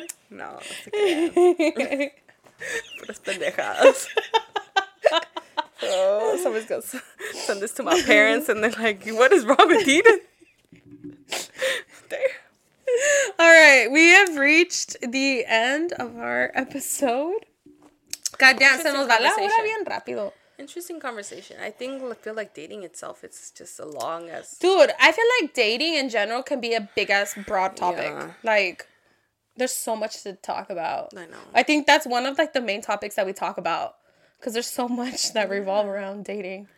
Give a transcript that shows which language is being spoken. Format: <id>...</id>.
<es>No, puras pendejadas.</es> <en>Oh, somebody's gonna send this to my parents, and they're like, "What is wrong with Eden?" All right, we have reached the end of our episode.</en> <es>Goddamn, se nos va la hora bien rápido.</es> <en>Interesting conversation. I feel like dating itself, it's just a long ass. Dude, I feel like dating in general can be a big ass broad topic. Yeah. Like, there's so much to talk about. I know. I think that's one of, like, the main topics that we talk about. Because there's so much that revolve around dating.</en>